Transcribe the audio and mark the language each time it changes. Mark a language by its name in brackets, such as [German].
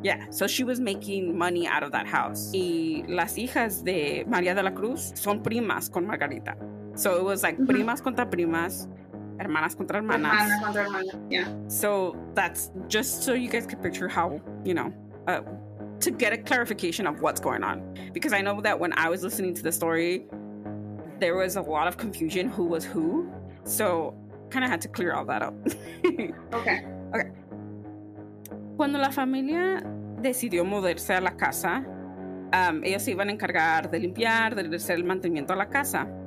[English] So she was making money out of that house. [Spanish] Y las hijas de María de la Cruz son primas con Margarita. [English] So it was like [Spanish] primas contra primas. Hermanas contra hermanas. Hermana contra hermana. Yeah. [English] So that's just so you guys can picture how, you know, to get a clarification of what's going on. Because I know that when I was listening to the story, there was a lot of confusion who was who. So kind of had to clear all that up. Okay. [Spanish] Cuando la familia decidió mudarse a la casa, ellos se iban a encargar de limpiar, de hacer el mantenimiento a la casa.